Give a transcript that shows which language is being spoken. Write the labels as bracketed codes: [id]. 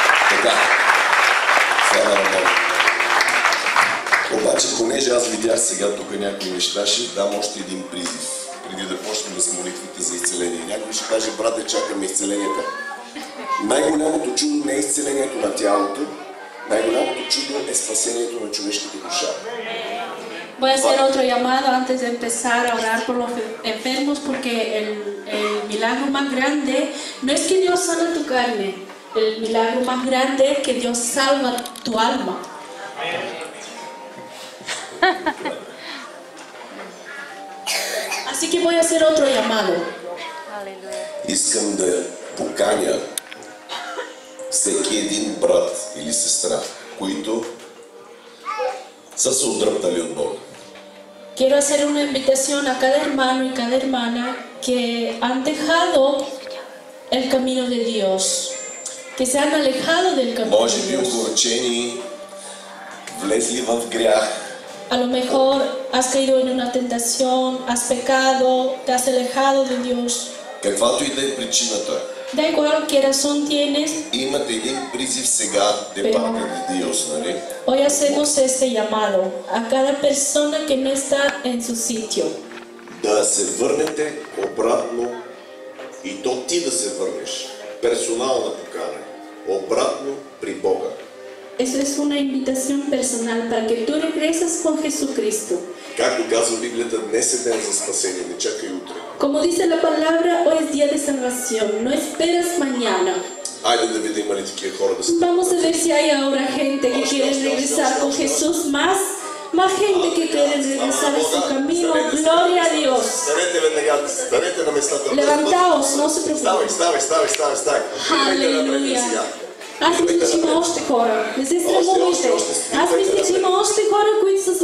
[bg] Така. Слава на Бога. Обаче, понеже аз видях сега тук някои неща, ще дам още един призив. Преди да почнем да с молитвите за изцеление. Някой ще каже, брате, чакаме изцеленията. Най-голямото чудо не е изцелението на тялото, най-голямото чудо е спасението на човешките душа. [es] Voy a hacer otro llamado antes de empezar a orar por los enfermos, porque el milagro más grande no es que Dios sana tu carne, el milagro más grande es que Dios salva tu alma. Así que voy a hacer otro llamado. [bg] Искам да поканя всеки един брат или сестра, които са се отдръпнали от Бога. [es] Quiero hacer una invitación a cada hermano y cada hermana que han dejado el camino de Dios, que se han alejado del camino de Dios. [bg] Може би влезли в грях. [es] A lo mejor has caído en una tentación, has pecado, te has alejado de Dios. [bg] Каквато и да е причината. [es] Да, igual qué razón tienes. [bg] Имате един призив сега [es] de parte de Dios, [bg] нали? [es] Hoy hacemos este llamado a cada persona que no está en su sitio. [bg] Да се върнете обратно и то ти да се върнеш. Персонална покана. Обратно при Бога. [es] Eso es una invitación personal para que tú regreses con Jesucristo. [bg] Както казва Библията, днес е ден за спасение, не чакай утре. [es] Como dice la palabra, hoy es día de salvación, no esperas mañana. [bg] Айде да видим ли такива хора да се... [es] Vamos a ver si hay ahora gente que quiere regresar con Jesús, más gente que quiere regresar a su camino. Gloria a Dios. [bg] Дарете веднага, дарете на местата. [es] Levantaos, no se preocupen. [bg] Ставай. Аллилуйя. Аз мисля, че има още хора. Не се срамувайте. Аз мисля, че има още хора, които са се